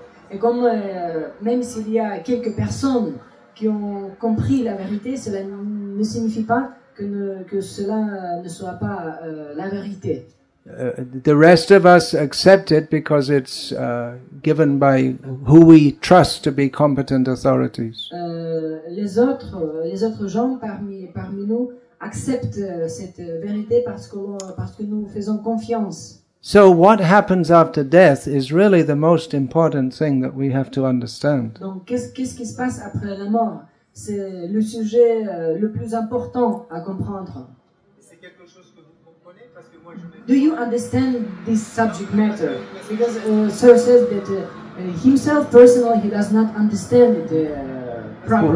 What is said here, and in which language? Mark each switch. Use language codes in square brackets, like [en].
[fr] Et comme même s'il y a quelques personnes qui ont compris la vérité, cela ne signifie pas que cela ne soit pas la vérité. [en] the rest of us accept it because it's given by who we trust to be competent authorities. [fr] Les autres gens parmi nous acceptent cette vérité parce que nous faisons confiance. [en] So what happens after death is really the most important thing that we have to understand. [fr] Donc qu'est-ce qui se passe après la mort? C'est le sujet le plus important à comprendre. C'est quelque chose que vous comprenez parce que moi je vais... [en] Do you understand this subject matter? Because Sir says that himself personally he does not understand it properly.